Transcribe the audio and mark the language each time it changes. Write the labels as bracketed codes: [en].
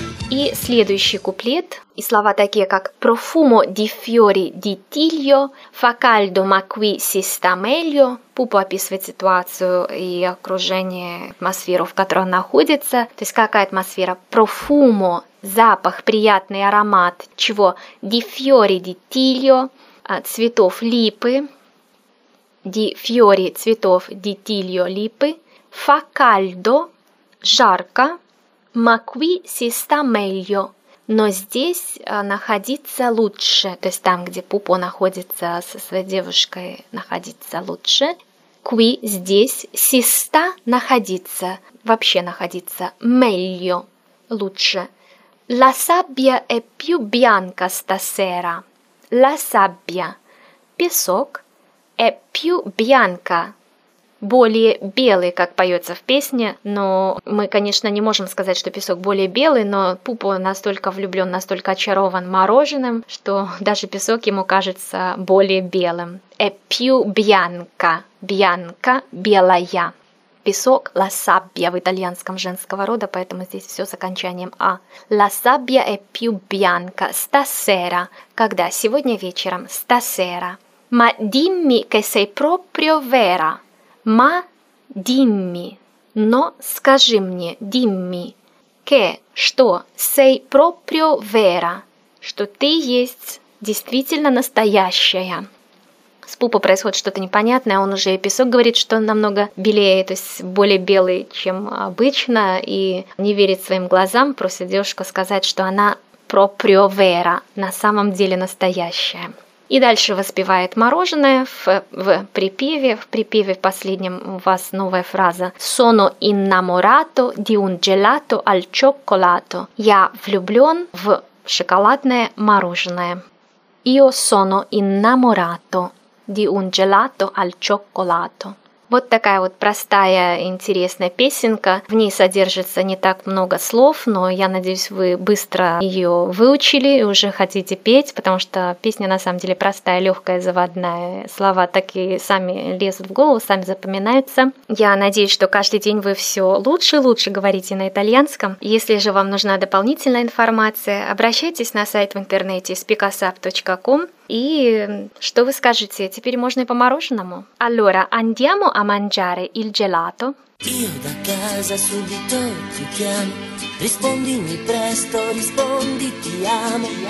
[ru] И следующий куплет, и слова такие как [it] «Profumo di fiori di Tiglio», «Fa caldo ma qui si sta meglio». [ru] Пупо описывает ситуацию и окружение, атмосферу, в которой он находится. То есть какая атмосфера? «Profumo» – запах, приятный аромат. Чего? [it] «Di fiori di Tiglio» – [ru] цветов липы. [it] «Di fiori» – цветов, «Di Tiglio» – липы. «Fa caldo» – жарко. Ma qui si sta meglio. [ru] Но здесь находиться лучше. То есть там, где Пупо находится со своей девушкой, находиться лучше. Qui здесь. [it] Si sta находиться. [ru] Вообще находиться. Meglio. Лучше. [it] La sabbia è più bianca stasera. La sabbia. Песок. È più bianca. [ru] Более белый, как поется в песне, но мы, конечно, не можем сказать, что песок более белый, но Пупо настолько влюблен, настолько очарован мороженым, что даже песок ему кажется более белым. [it] È più bianca, bianca, белая. [ru] Песок, [it] la sabbia, [ru] в итальянском женского рода, поэтому здесь все с окончанием a. [it] La sabbia è più bianca, stasera. [ru] Когда? Сегодня вечером, stasera. [it] Ma dimmi che sei proprio vera. Ma dimmi, [ru] но скажи мне, [it] dimmi, che, [ru] что, [it] sei proprio vera, [ru] что ты есть действительно настоящая. С Пупо происходит что-то непонятное, он уже и песок говорит, что намного белее, то есть более белый, чем обычно, и не верит своим глазам, просит девушку сказать, что она [it] proprio vera, [ru] на самом деле настоящая. И дальше воспевает мороженое в припеве. В припеве в последнем у вас новая фраза. [it] Sono innamorato di un gelato al cioccolato. [ru] Я влюблен в шоколадное мороженое. [it] Io sono innamorato di un gelato al cioccolato. [ru] Вот такая вот простая, интересная песенка. В ней содержится не так много слов, но я надеюсь, вы быстро ее выучили и уже хотите петь, потому что песня на самом деле простая, легкая, заводная. Слова так и сами лезут в голову, сами запоминаются. Я надеюсь, что каждый день вы все лучше и лучше говорите на итальянском. Если же вам нужна дополнительная информация, обращайтесь на сайт в интернете speakusup.com. И что вы скажете? Теперь можно и по мороженому. [it] Allora, andiamo a mangiare il gelato. Io da casa subito ti chiamo. Rispondimi presto, rispondi, ti amo.